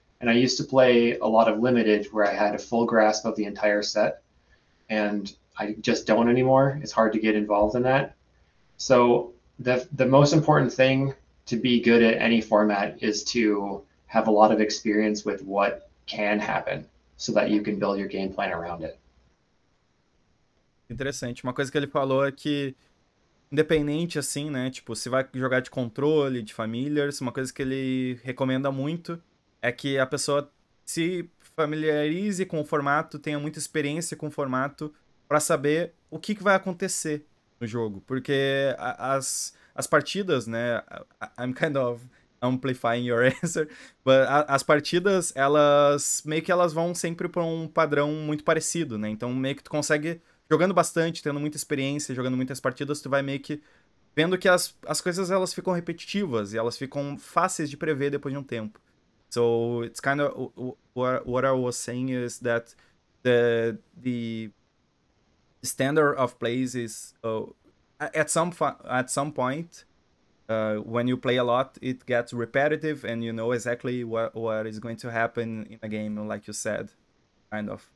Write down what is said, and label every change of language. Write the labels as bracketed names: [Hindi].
[English] And I used to play a lot of Limited where I had a full grasp of the entire set, and I just don't anymore. It's hard to get involved in that. So the most important thing to be good at any format is to have a lot of experience with what can happen so that you can build your game plan around it. [Portuguese] Interessante. Uma coisa que ele falou é que, independente, assim, né, tipo, se vai jogar de controle, de familiars, uma coisa que ele recomenda muito é que a pessoa se familiarize com o formato, tenha muita experiência com o formato para saber o que vai acontecer no jogo. Porque as partidas, né, [English] I'm kind of amplifying your answer, [Portuguese] but as partidas, elas meio que elas vão sempre para um padrão muito parecido, né? Então meio que tu consegue, jogando bastante, tendo muita experiência, jogando muitas partidas, tu vai meio que vendo que as coisas elas ficam repetitivas e elas ficam fáceis de prever depois de um tempo. [English] So it's kind of what I was saying is that the standard of plays is at some point, when you play a lot, it gets repetitive, and you know exactly what is going to happen in a game, like you said, kind of.